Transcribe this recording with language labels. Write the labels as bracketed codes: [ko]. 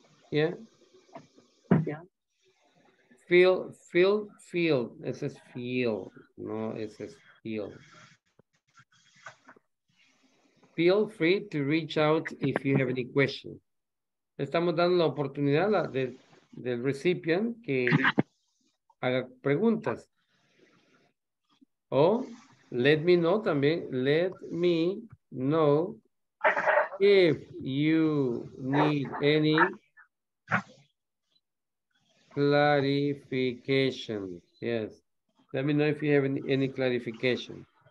[en] Yeah? Yeah. Feel. This is feel. No, it says feel. Feel free to reach out if you have any question. [es] Estamos dando la oportunidad del recipient que haga preguntas. [en] O let me know también. Let me know if you need any clarification. Yes. Let me know if you have any clarification.